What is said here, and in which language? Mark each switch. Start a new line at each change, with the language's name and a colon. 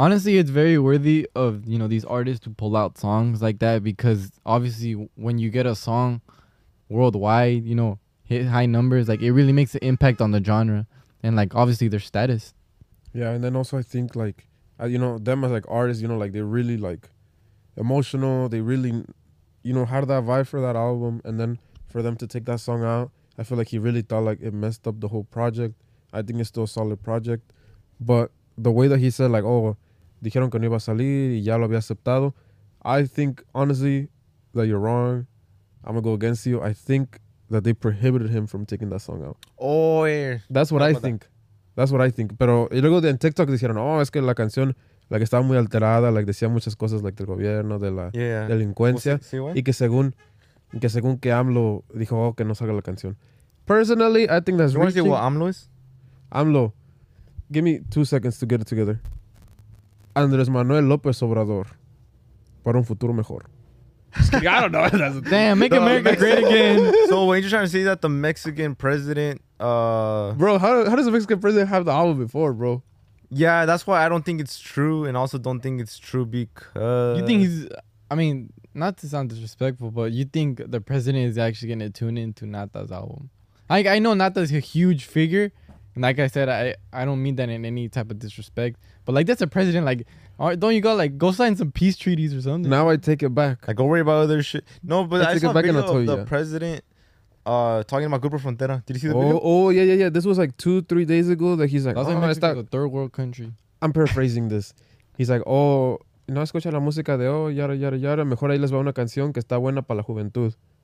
English: Honestly, it's very worthy of, you know, these artists to pull out songs like that, because obviously when you get a song worldwide, you know, hit high numbers, like, it really makes an impact on the genre and, like, obviously their status. Yeah, and then also I think, like, you know, them as, like, artists, you know, like, they're really, like, emotional. They really, you know, had that vibe for that album. And then for them to take that song out, I feel like he really thought, like, it messed up the whole project. I think it's still a solid project. But the way that he said, like, oh,
Spanish: dijeron que no iba a salir y ya lo había aceptado.
English: I think, honestly, that you're wrong. I'm going to go against you. I think that they prohibited him from taking that song out. Oh, yeah. That's what I think. That's what I think.
Spanish: Pero y luego en TikTok dijeron, oh, es que la canción, like, estaba muy alterada. Like, decía muchas cosas, like, del gobierno, de la delincuencia.
English: Well, see,
Spanish: y que según que AMLO dijo, oh, que no salga la canción.
English: Personally, I think that's You want to see what AMLO is? AMLO, give me 2 seconds to get it together.
Spanish: Andrés Manuel López Obrador, para un futuro mejor.
English: I don't know. That's damn, make America great again. So when you're trying to say that the Mexican president... Bro, how does the Mexican president have the album before, bro? Yeah, that's why I don't think it's true, and also don't think it's true because... You think he's... I mean, not to sound disrespectful, but you think the president is actually going to tune into Nata's album? Like, I know Nata's a huge figure... Like I said, I don't mean that in any type of disrespect. But, like, that's a president. Like, don't you go, like, go sign some peace treaties or something? Now I take it back. Like, go worry about other shit. No, but I saw a video of the president talking about Grupo Frontera. Did you see the video? Oh, yeah. This was, like, 2-3 days ago that he's like, oh, it's like a third world country. I'm paraphrasing this. He's like, oh,
Spanish: no escucha la música de,
English: oh, yara, yara, yara.
Spanish: Mejor ahí les va una canción que está buena para la juventud.